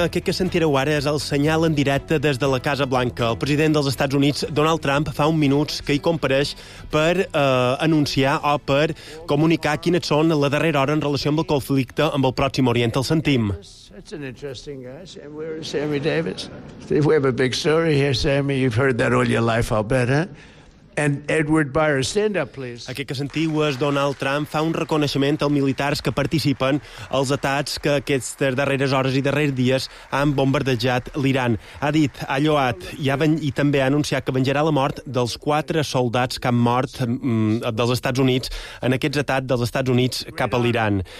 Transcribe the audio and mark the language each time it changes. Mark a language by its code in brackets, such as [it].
[ca] Aquest que sentireu ara és el senyal en directe des de la Casa Blanca. El president dels Estats Units, Donald Trump, fa uns minuts que hi compareix per anunciar o per comunicar quines són la darrera hora en relació amb el conflicte amb el Pròxim Orient. El sentim. [en] That's an interesting guy. Sam, where is Sammy Davis? Steve, we have a big story here, Sammy. You've heard that all your life, I'll bet, huh? And Edward Byer, stand up, please. [ca] Aquest que sentiu és Donald Trump fa un reconeixement als militars que participen als atacs que aquestes darreres hores i darrers dies han bombardejat l'Iran. Ha dit, ha lloat i també ha anunciat que venjarà la mort dels 4 soldats que han mort dels Estats Units en aquests atacs dels Estats Units cap a l'Iran.